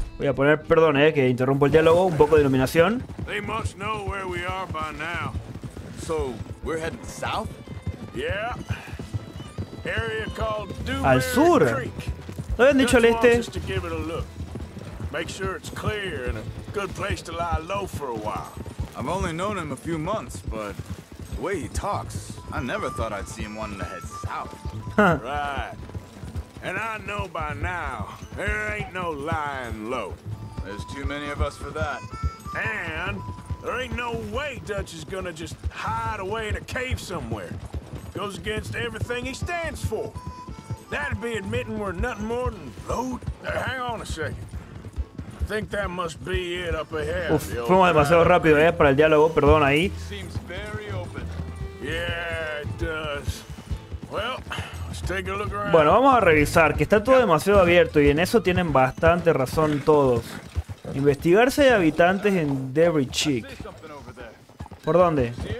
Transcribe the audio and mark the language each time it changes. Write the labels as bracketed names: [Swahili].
[Spanish] Voy a poner, perdón, que interrumpo el diálogo, un poco de iluminación. [English] They must know where we are by now. So, we're heading south? Yeah. Area called [Spanish] Al sur. ¿Lo habían dicho al este? [English] Make sure it's clear and a good place to lie low for a while. I've only known him a few months, but the way he talks, I never thought I'd see him wanting to head south. Right. And I know by now, there ain't no lying low. There's too many of us for that. And there ain't no way Dutch is gonna just hide away in a cave somewhere. Goes against everything he stands for. That'd be admitting we're nothing more than low. Now, hang on a second. I think that must be it up ahead. [Spanish] Uf, fuimos demasiado rápido, para el diálogo, perdón ahí. [English] Seems very open. Yeah, it does. Well, take a look around. [Spanish] Bueno, vamos a revisar, que está todo demasiado abierto y en eso tienen bastante razón todos. Investigar si hay habitantes en Debris Cheek. ¿Por dónde?